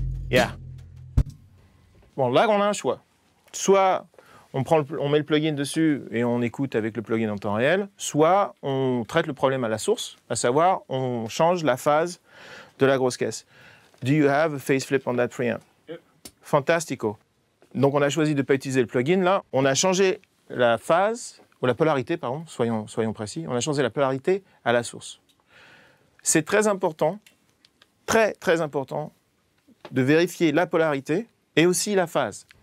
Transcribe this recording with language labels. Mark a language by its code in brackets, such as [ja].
[fr] Yeah. Bon, là, on a un choix. Soit on met le plugin dessus et on écoute avec le plugin en temps réel, soit on traite le problème à la source, à savoir on change la phase de la grosse caisse. [en] Do you have a phase flip on that preamp? Yep. [it] Fantastico. [fr] Donc on a choisi de ne pas utiliser le plugin là. On a changé la phase, ou la polarité, pardon, soyons précis. On a changé la polarité à la source. C'est très important, très très important, de vérifier la polarité et aussi la phase.